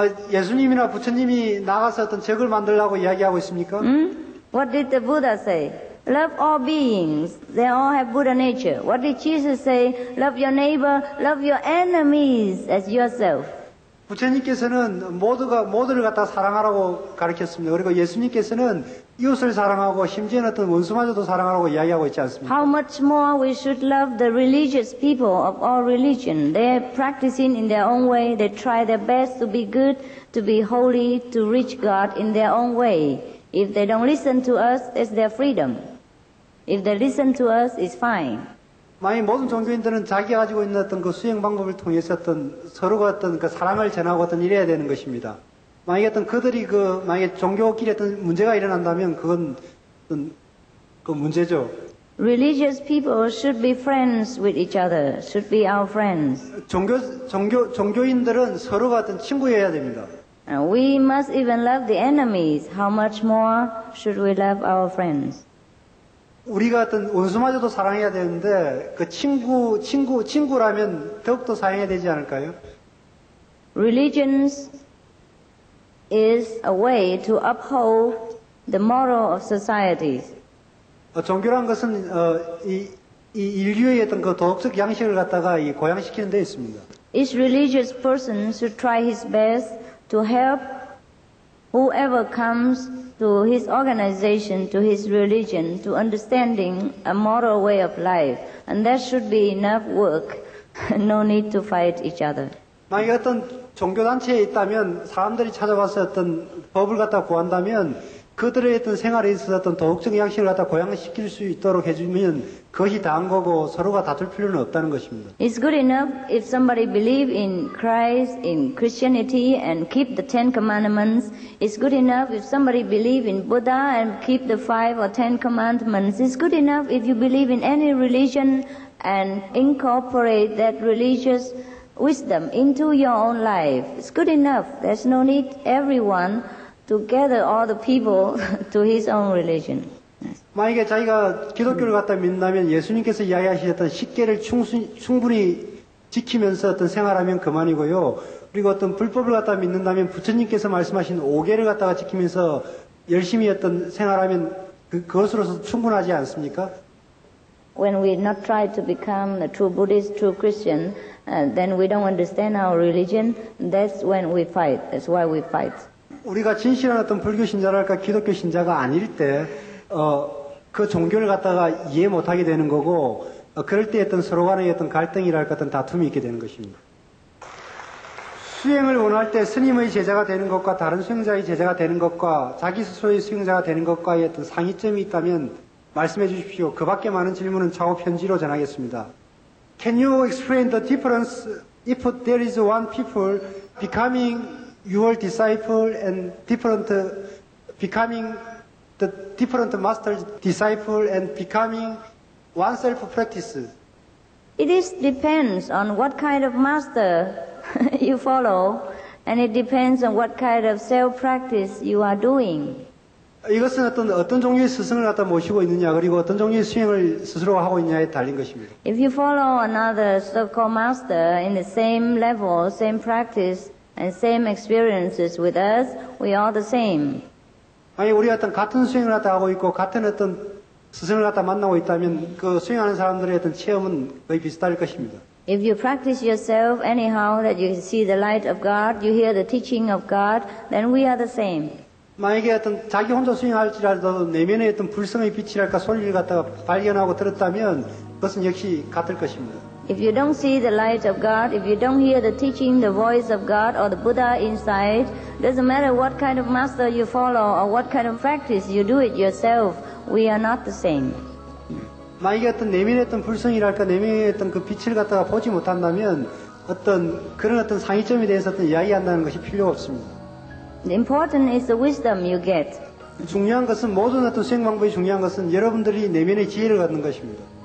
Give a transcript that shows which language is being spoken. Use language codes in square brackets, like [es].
[ko] 예수님이나 부처님이 나가서 어떤 적을 만들라고 이야기하고 있습니까? [en] What did the Buddha say? Love all beings. They all have Buddha nature. What did Jesus say? Love your neighbor, love your enemies as yourself. [ko] 부처님께서는 모두를 갖다 사랑하라고 가르쳤습니다. 그리고 예수님께서는 이웃을 사랑하고 심지어는 어떤 원수마저도 사랑하라고 이야기하고 있지 않습니까? [en] How much more we should love the religious people of all religion. They are practicing in their own way. They try their best to be good, to be holy, to reach God in their own way. If they don't listen to us, it's their freedom. If they listen to us, it's fine. [ko] 만약 모든 종교인들은 자기가 가지고 있는 어떤 그 수행 방법을 통해서 어떤 서로가 어떤 그 사랑을 전하고 어떤 이래야 되는 것입니다. 만약에 어떤 그들이 그 만약에 종교끼리 어떤 문제가 일어난다면 그건 어떤 그 문제죠. [en] Religious people should be friends with each other. Should be our friends. [ko] 종교인들은 서로가 어떤 친구여야 됩니다. [en] We must even love the enemies. How much more should we love our friends? [ko] 우리가 어떤 원수마저도 사랑해야 되는데 그 친구라면 더욱더 사랑해야 되지 않을까요? [en] Religions is a way to uphold the moral of societies. [ko] 종교란 것은 이 인류의 어떤 그 도덕적 양식을 갖다가 이 고양시키는 데 있습니다. [en] Each religious person should try his best to help whoever comes to his organization, to his religion, to understanding a moral way of life. And that should be enough work. No need to fight each other. [ko] 만약 어떤 종교단체에 있다면, 사람들이 찾아와서 어떤 법을 갖다 구한다면, 그들의 어떤 생활에 있어서 어떤 도덕적 양식을 갖다 고양시킬 수 있도록 해주면, 그것이 다한 거고 서로가 다툴 필요는 없다는 것입니다. [en] It's good enough if somebody believe in Christ, in Christianity, and keep the Ten Commandments. It's good enough if somebody believe in Buddha and keep the Five or Ten Commandments. It's good enough if you believe in any religion and incorporate that religious wisdom into your own life. It's good enough. There's no need everyone to gather all the people to his own religion. [ko] 만약에 자기가 기독교를 갖다 믿는다면 예수님께서 이야기하셨던 십계를 충분히 지키면서 어떤 생활하면 그만이고요. 그리고 어떤 불법을 갖다 믿는다면 부처님께서 말씀하신 오계를 갖다가 지키면서 열심히 어떤 생활하면 그것으로서 충분하지 않습니까? [en] When we not try to become a true Buddhist, true Christian, then we don't understand our religion. That's when we fight. That's why we fight. [ko] 우리가 진실한 어떤 불교 신자랄까 기독교 신자가 아닐 때 그 종교를 갖다가 이해 못하게 되는 거고 그럴 때 어떤 서로 간의 어떤 갈등이랄까 어떤 다툼이 있게 되는 것입니다. 수행을 원할 때 스님의 제자가 되는 것과 다른 수행자의 제자가 되는 것과 자기 스스로의 수행자가 되는 것과의 어떤 상이점이 있다면 말씀해 주십시오. 그 밖에 많은 질문은 차후 편지로 전하겠습니다. [en] Can you explain the difference if there is one people becoming your disciple and different becoming the different master's disciple and becoming oneself practice? It is depends on what kind of master you follow, and it depends on what kind of self-practice you are doing. [ko] 이것은 어떤 종류의 스승을 갖다 모시고 있느냐 그리고 어떤 종류의 수행을 스스로 하고 있냐에 달린 것입니다. [en] If you follow another so-called master in the same level, same practice and same experiences with us, we are the same. [ko] 아니 우리 어떤 같은 수행을 갖다 하고 있고 같은 어떤 스승을 갖다 만나고 있다면 그 수행하는 사람들의 어떤 체험은 거의 비슷할 것입니다. [en] If you practice yourself anyhow that you see the light of God, you hear the teaching of God, then we are the same. [ko] 만약에 어떤 자기 혼자 수행할지라도 내면의 어떤 불성의 빛이랄까 소리를 갖다가 발견하고 들었다면 그것은 역시 같을 것입니다. [en] If you don't see the light of God, if you don't hear the teaching, the voice of God or the Buddha inside, doesn't matter what kind of master you follow or what kind of practice you do it yourself, we are not the same. [ko] 만약에 어떤 내면의 어떤 불성이랄까 내면의 어떤 그 빛을 갖다가 보지 못한다면 어떤 그런 어떤 상의점에 대해서 어떤 이야기한다는 것이 필요 없습니다. [en] The important is the wisdom you get. [ko] 중요한 것은 모든 어떤 수행 방법이 중요한 것은 여러분들이 내면의 지혜를 갖는 것입니다.